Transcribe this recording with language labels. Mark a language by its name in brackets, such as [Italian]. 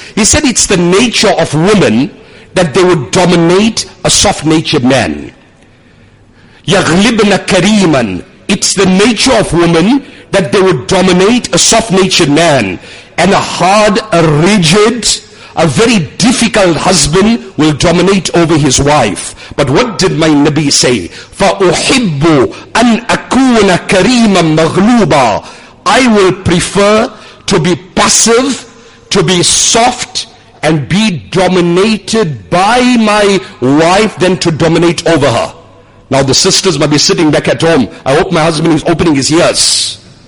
[English] He said it's the nature of women that they would dominate a soft-natured man. [Arabic] Yaghlibna kareeman. [English] It's the nature of women that they would dominate a soft-natured man. And a hard, a rigid, a very difficult husband will dominate over his wife. But what did my Nabi say? [Arabic] فَأُحِبُّ أَنْ أَكُونَ كَرِيمًا مَغْلُوبًا. [English] I will prefer to be passive, to be soft, and be dominated by my wife than to dominate over her. Now the sisters might be sitting back at home. I hope my husband is opening his ears.